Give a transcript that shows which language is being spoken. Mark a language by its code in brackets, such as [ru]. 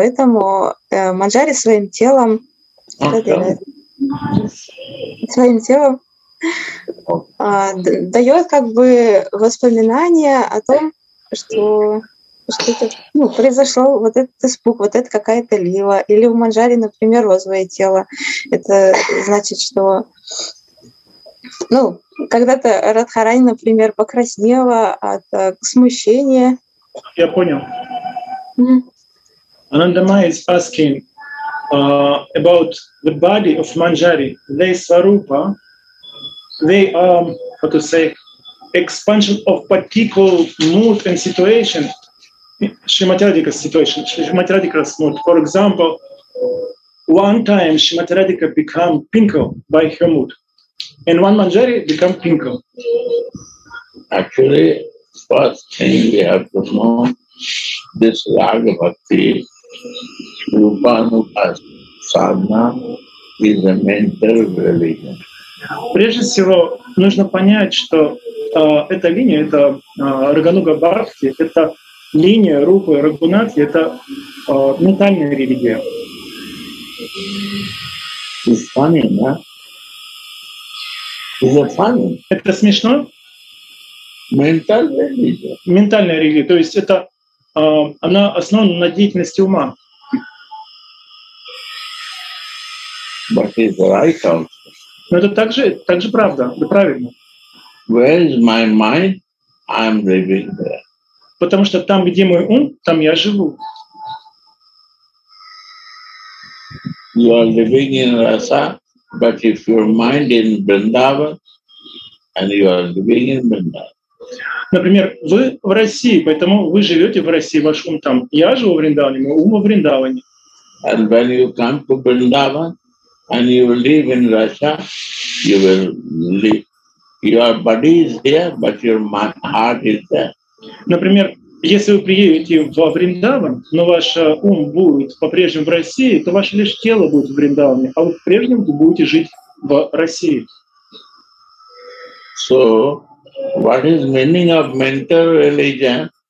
[ru] Поэтому манджари своим телом, своим телом дает как бы воспоминания о том, что это, ну, произошел вот этот испуг, вот это какая-то лила. Или у манджари, например, розовое тело. Это значит, что, ну, когда-то Радхарани, например, покраснела от смущения. Я понял. Mm-hmm. [en] Anandamaya is asking about the body of Manjari. They Swarupa, they are, how to say, expansion of particular mood and situation, Srimati Radhika's situation, Srimati Radhika's mood. For example, one time Srimati Radhika became pinko by her mood, and one Manjari became pinko. Actually, first thing we have to know, this Raga Bhakti, Rupanuka Sadhana, is a mental religion. [ru] Прежде всего, нужно понять, что эта линия, это Рагануга Бхакти, это линия Рупы Рагунати, это ментальная религия. [en] It's funny, да? Is it funny? [ru] Это смешно? Ментальная религия. Ментальная религия, то есть это она основана на деятельности ума. [en] But is right also. [ru] Но это также правда, да, правильно. [en] Where is my mind? I'm living there. [ru] Потому что там, где мой ум, там я живу. [en] You are living in Rasa, but if your mind in Vrindavan, and you are living in Vrindavan. [ru] Например, вы в России, поэтому вы живете в России, ваш ум там. Я живу в Вриндаване, мой ум в Вриндаване. [en] And when you come to Vrindavan and you live in Russia, you will live. Your body is here, but your heart is there. [ru] Например, если вы приедете в Вриндаван, но ваш ум будет по-прежнему в России, то ваше лишь тело будет в Вриндаване, а вы по-прежнему будете жить в России. [en] So, what is meaning of mental religion?